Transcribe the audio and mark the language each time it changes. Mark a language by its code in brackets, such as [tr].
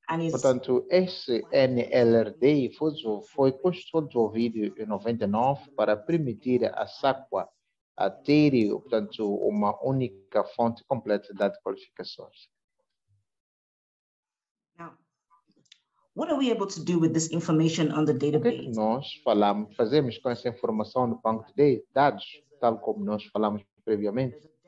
[pt] Portanto, esse NLRD foi desenvolvido em 1999 para permitir a SACUA a ter, portanto, uma única fonte completa de qualificações. [en] What are we able to do with this information on the database? [pt] O que nós fazemos com essa informação no banco de dados, tal como nós falamos previamente?